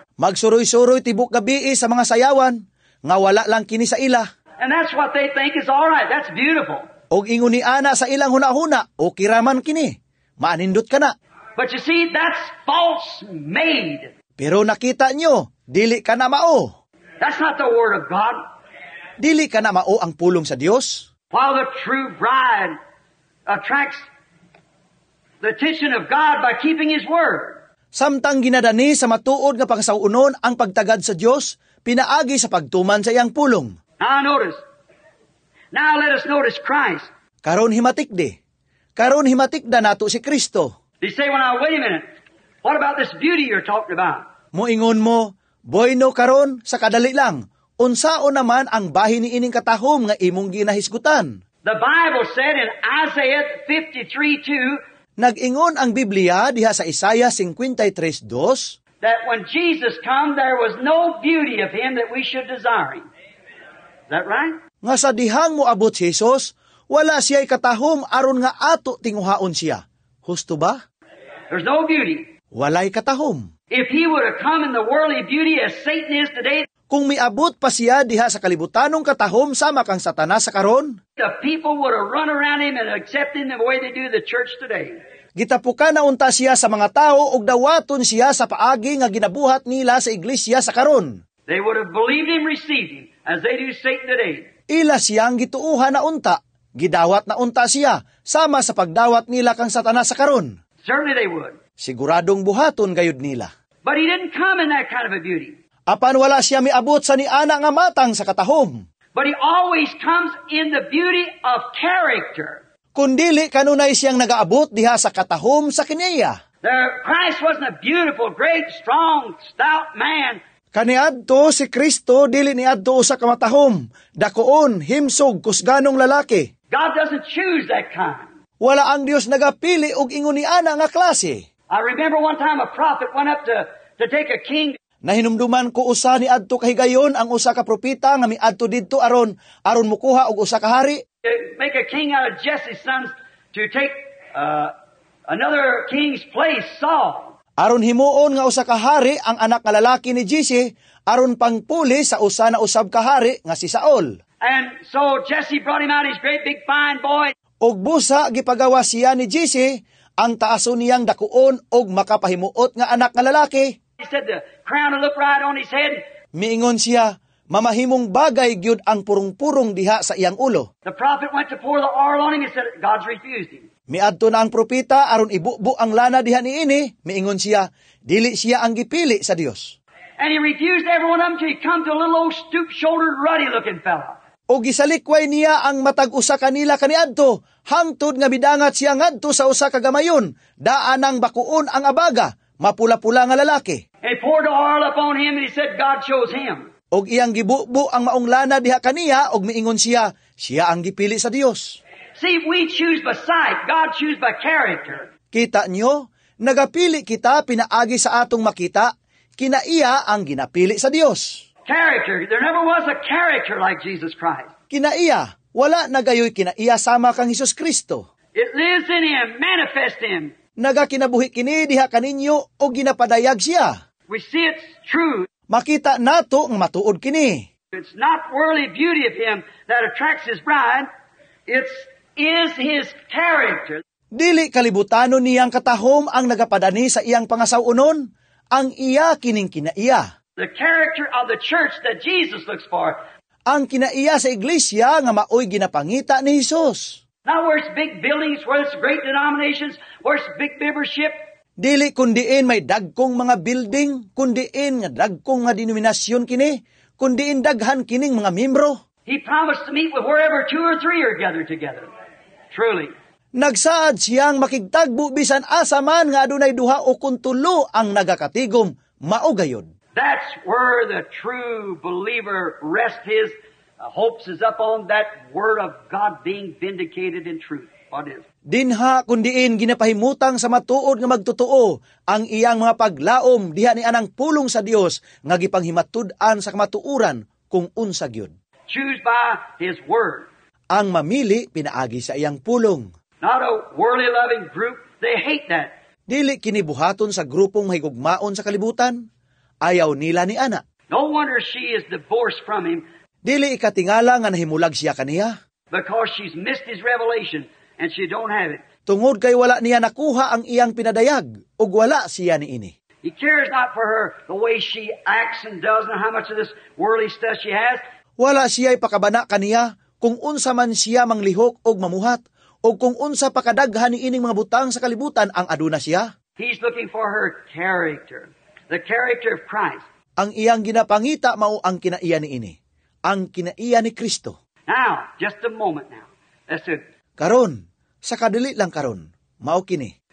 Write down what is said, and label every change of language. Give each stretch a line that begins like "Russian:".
Cebuano: Magsuroy-suroy tibok gabi sa mga sayawan nga wala lang kini sa ila.
English: And that's what they think is all right. That's beautiful.
Cebuano: Og ingon ni ana sa ilang huna-huna, okay ra man kini. Maanindot ka na.
English: But you see, that's false made.
Cebuano: Pero nakita nyo, dili ka na mao.
English: That's not the word of God.
Cebuano: Dili ka na mao ang pulong sa Dios.
English: While the true bride attracts the attention of God by keeping His word.
Cebuano: Samtang ginadani sa matuod nga pangasaunon ang pagtagad sa Dios, pinaagi sa pagtuman sa iyang pulong.
English: Now notice. Now let us notice Christ.
Cebuano: Karon himatikde. Karon himatikda nato si Kristo.
English: He say, "Well, now wait a minute. What about this beauty you're talking about?
Cebuano: Moingon mo, boyno karon sa kadali lang. Unsao naman ang bahin ni ining katahom nga imong ginahisgutan?
English: The Bible said in Isaiah 53:2,
Cebuano: nag-ingon ang Biblia diha sa Isaiah 53:2,
English: that when Jesus come, there was no beauty of him that we should desire him. Is that right?
Cebuano: Nga sa dihang mo abot si Jesus, wala siya'y katahom aron nga ato tinguhaon siya. Husto ba?
English: There's no beauty.
Cebuano: Walay katahom.
English: If he would have come in the worldly beauty as Satan is today,
Cebuano: kung miabot pa siya diha sa kalibutanong katahom sama kang Satanas sa karon,
English: the people would have run around him and accepted him the way they do the church today.
Cebuano: Gitapukan na unta siya sa mga tao ug dawaton siya sa paagi nga ginabuhat nila sa iglesia sa karon.
English: They would have believed him, received him as they do Satan today.
Cebuano: Ila siyang gituuhan na unta, gidawat na unta siya sama sa pagdawat nila kang Satanas sa karon.
English: Certainly they would.
Cebuano: Siguradong buhaton gayud nila.
English: But he didn't come in that kind of a beauty.
Cebuano: Apan wala siya miabot sa niana nga matang sa katahom.
English: But he always comes in the beauty of character.
Cebuano: Kundili kanunay siyang nagaabot diha sa katahom sa kiniya.
English: Christ wasn't a beautiful, great, strong, stout man.
Cebuano: Kaniadto si Kristo dili niadto sa kamatahom, dakoon, himsog, kusganong lalaki.
English: God doesn't choose that kind.
Cebuano: Wala ang Dios nagapili og inguniana nga klase.
English: I remember one time a prophet went up to take a king.
Cebuano: Nahinumduman ko usa ni adto kay gayon ang usa ka propita nga miadto didto aron mukuha og usa ka hari.
English: Make a king out of Jesse's sons to take another king's place, Saul.
Cebuano: Aron himuon nga usa ka hari ang anak nga lalaki ni Jesse aron pangpuli sa usa na usab ka hari nga si Saul.
English: And so Jesse brought him out his great big fine boy.
Cebuano: Og busa gipagawa siya ni Jesse ang taaso niyang dakuon og makapahimuot nga anak nga lalaki.
English: He said the crown will look right on his head.
Cebuano: Miingon siya, mamahimong bagay gyud ang purong-purong diha sa iyang ulo.
English: The prophet went to pour the oil on him and said God's refused him.
Cebuano: Miadto na ang propita aron ibubo ang lana diha niini, miingon siya, dili siya ang gipili sa Dios.
English: And he refused everyone of them to come to a little old stoop-shouldered ruddy-looking fellow.
Cebuano: O gisalikway niya ang matag usa kanila kaniadto, hangtod nga bidangat siya ngadto sa usa ka gamayon, daan ang bakuon ang abaga. Mapula-pula nga lalaki.
English: He poured oil upon him and he said God chose him.
Cebuano: Og iyang gibubo ang maong lana diha kaniya og miingon siya, siya ang gipili sa Dios.
English: See, we choose by sight, God choose by character.
Cebuano: Kita nyo, nagapili kita pinaagi sa atong makita, kinaiya ang ginapili sa Dios.
English: Character, there never was a character like Jesus Christ.
Cebuano: Kinaiya, wala na gayoy kinaiya sama kang Jesus Kristo.
English: It lives in him, manifest him.
Cebuano: Nagakinabuhi kini diha kaninyo o ginapadayag siya.
English: We see it's true.
Cebuano: Makita nato ang matuod kini.
English: It's not worldly beauty of him that attracts his bride. It's is his character.
Cebuano: Dili kalibutano niyang katahom ang nagapadani sa iyang pangasaw-unon, ang iya kining kinaiya.
English: The character of the church that Jesus looks for.
Cebuano: Ang kinaiya sa iglesia nga maoy ginapangita ni Jesus.
English: Now where's big buildings, where's great denominations, where's big membership?
Cebuano: Dili kundiin may dagkong mga building, kundiin nga dagkong nga denominasyon kini, kundiin daghan kining mga membro.
English: He promised to meet with wherever two or three are gathered together. Truly.
Cebuano: Nagsaad siyang makigtagbo bisan asa man nga adunay duha o kuntulo ang nagakatigom, mao gayud.
English: That's where the true believer rests his hopes is up on that word of God being vindicated in truth. What is?
Cebuano: Dinha kundiin ginapahimutang sa matuod nga magtotoo ang iyang mga paglaom diha ni anang pulong sa Dios nga gipanghimatud-an sa kamatuoran kung unsa gyud.
English: Choose by his word.
Cebuano: Ang mamili pinaagi sa iyang pulong.
English: Not a worldly loving group, they hate that.
Cebuano: Dili kinibuhaton sa grupong mahigugmaon sa kalibutan, ayaw nila ni ana.
English: No wonder she is divorced from him.
Cebuano: Dili ikatingala nga nahimulag siya kaniya.
English: Because she's missed his revelation and she don't have it.
Cebuano: Tungod kay wala niya nakuha ang iyang pinadayag, ug wala siya ni ini.
English: He cares not for her the way she acts and does and how much of this worldly stuff she has.
Cebuano: Wala siya'y pakabana kaniya kung unsa man siya manglihok ug mamuhat, ug kung unsa pakadaghan ni ining mga butang sa kalibutan ang aduna siya.
English: He's looking for her character, the character of Christ.
Cebuano: Ang iyang ginapangita mao ang kinaiya ni ini. Ang kinaiya ni Kristo.
English: Now, just a moment now. That's it.
Cebuano: Karon, sa kadali lang karon, mao kini.